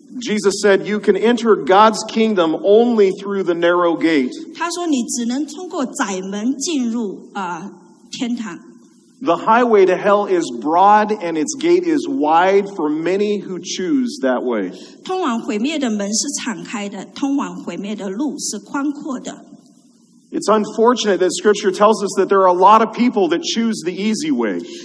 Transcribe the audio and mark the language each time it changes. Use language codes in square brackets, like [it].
[en] Jesus said, you can enter God's kingdom only through the narrow gate. [zh] 他说你只能通过窄门进入天堂。 [en] The highway to hell is broad and its gate is wide for many who choose that way. [zh] 通往毁灭的门是敞开的，通往毁灭的路是宽阔的。 [en] It's unfortunate that scripture tells us that there are a lot of people that choose the easy way.